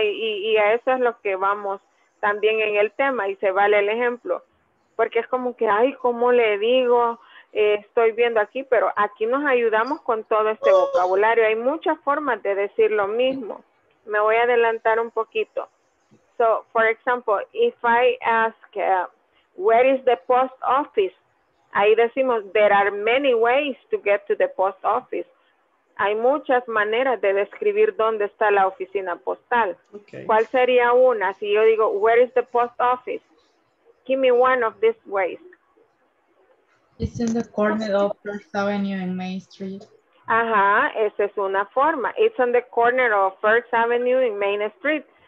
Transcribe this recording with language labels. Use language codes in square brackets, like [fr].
[es] Y a eso es lo que vamos también en el tema. Y se vale el ejemplo. Porque es como que, ay, ¿cómo le digo? Estoy viendo aquí, pero aquí nos ayudamos con todo este vocabulario. Hay muchas formas de decir lo mismo. Me voy a adelantar un poquito. [en] So, for example, if I ask, where is the post office? [es] Ahí decimos, [en] there are many ways to get to the post office. [es] hay muchas maneras de describir dónde está la oficina postal. [en] Okay. [es] ¿Cuál sería una? Si yo digo, [en] where is the post office? Give me one of these ways. It's in the corner of First Avenue and Main Street. [es] Ajá, esa es una forma. [en] It's on the corner of First Avenue and Main Street.